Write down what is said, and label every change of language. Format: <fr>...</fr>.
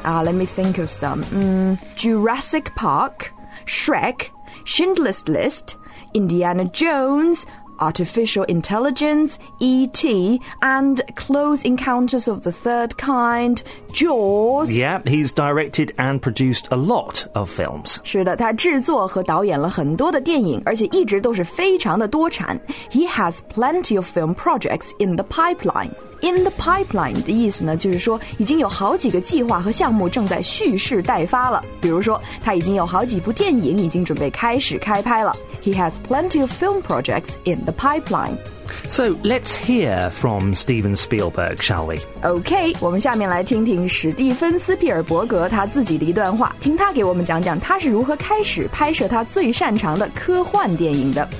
<en>Let me think of some. Jurassic Park, Shrek, Schindler's List, Indiana Jones... Artificial Intelligence, E.T., and Close Encounters of the Third Kind, Jaws. Yeah, he's directed and produced a lot of films.</en> <zh>是的，他制作和导演了很多的电影，而且一直都是非常的多产。</zh> <en>He has plenty of film projects in the pipeline. In the pipeline</en> <zh>的意思呢，就是说已经有好几个计划和项目正在蓄势待发了。比如说，他已经有好几部电影已经准备开始开拍了。</zh> <en>He has plenty of film projects in the pipeline. So let's hear from Steven Spielberg, shall we?</en> <zh>Okay, 我们下面来听听史蒂芬·斯皮尔伯格他自己的一段话，听他给我们讲讲他是如何开始拍摄他最擅长的科幻电影的。</zh>